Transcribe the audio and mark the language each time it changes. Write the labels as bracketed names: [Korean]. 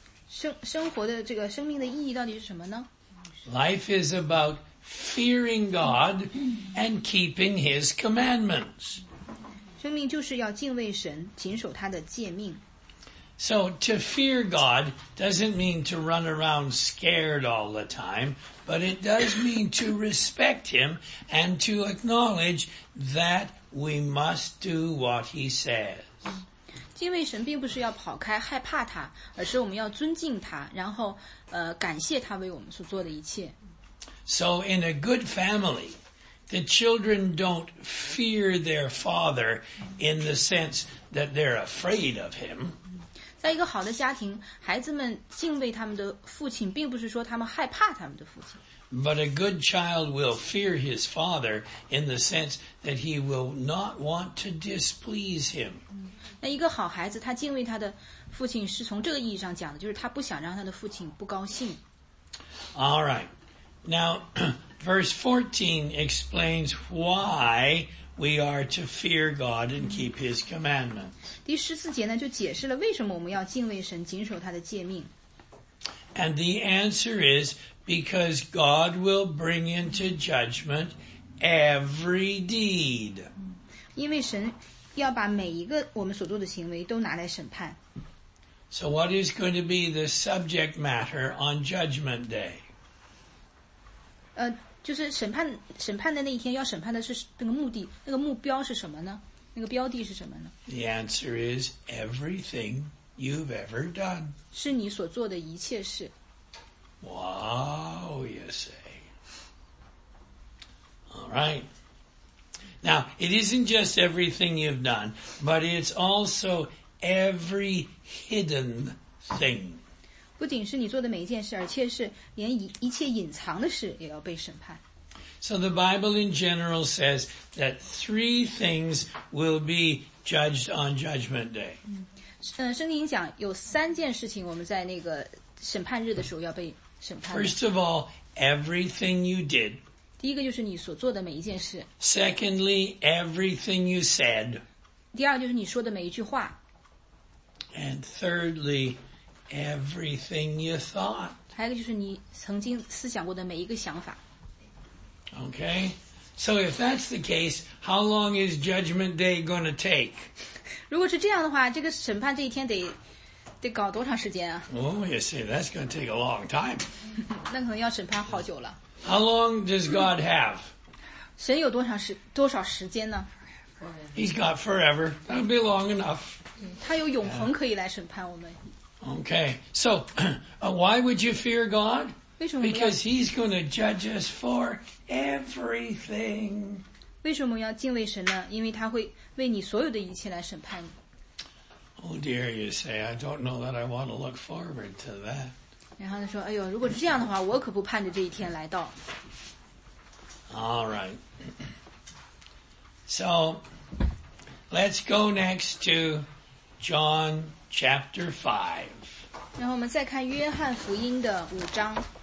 [Chinese] 生活的这个生命的意义到底是什么呢? [English] Life is about fearing God and keeping His commandments. [Chinese] 生命就是要敬畏神，谨守他的诫命。 [English] So to fear God doesn't mean to run around scared all the time, but it does mean to respect Him and to acknowledge that we must do what He says. [Chinese] 敬畏神并不是要跑开害怕他，而是我们要尊敬他，然后感谢他为我们所做的一切。 [English] So in a good family, the children don't fear their father in the sense that they're afraid of him. [Chinese] 在一个好的家庭，孩子们敬畏他们的父亲，并不是说他们害怕他们的父亲。 [English] But a good child will fear his father in the sense that he will not want to displease him. [Chinese] 那一个好孩子，他敬畏他的父亲，是从这个意义上讲的，就是他不想让他的父亲不高兴。 [English] All right. Now, verse 14 explains why... We are to fear God and keep His commandments. [Chinese] 第十四节呢，就解释了为什么我们要敬畏神，谨守他的诫命。 [English] And the answer is because God will bring into judgment every deed. [Chinese] 因为神要把每一个我们所做的行为都拿来审判。 [English] So what is going to be the subject matter on Judgment Day? [Chinese] 就是审判的那一天要审判的是那个目的那个目标是什么呢那个标的是什么呢 [English] The answer is everything you've ever done. [Chinese] 是你所做的一切事。 [English] Wow, you say. All right. Now, it isn't just everything you've done, but it's also every hidden thing. [Chinese] 不仅是你做的每一件事，而且是连一切隐藏的事也要被审判。 [English] So the Bible in general says that three things will be judged on Judgment Day. [Chinese] 圣经讲有三件事情我们在那个审判日的时候要被审判。 [English] First of all, everything you did. [Chinese] 第一个就是你所做的每一件事。 [English] Secondly, everything you said. [Chinese] 第二个就是你说的每一句话。 [English] And thirdly,Everything you thought. [Chinese] 还有一个就是你曾经思想过的每一个想法。 [English] Okay, so if that's the case, how long is Judgment Day going to take? [Chinese] 如果是这样的话，这个审判这一天得搞多长时间啊 [English] ？Oh, you see, that's going to take a long time. [Chinese] 那可能要审判好久了。 [English] How long does God have? [Chinese] 神有多少时间呢 [English] ？He's got forever. That'll be long enough. [Chinese] 他有永恒可以来审判我们。 [English] Okay, so, why would you fear God? Because He's going to judge us for everything. [Chinese] 为什么要敬畏神呢？因为他会为你所有的一切来审判你。 [English] Oh dear, you say, I don't know that I want to look forward to that. [Chinese] 然后他说，哎呦，如果是这样的话，我可不盼着这一天来到。 [English] All right. So, let's go next to John. Chapter 5. [Chinese] 然后我们再看约翰福音的五章。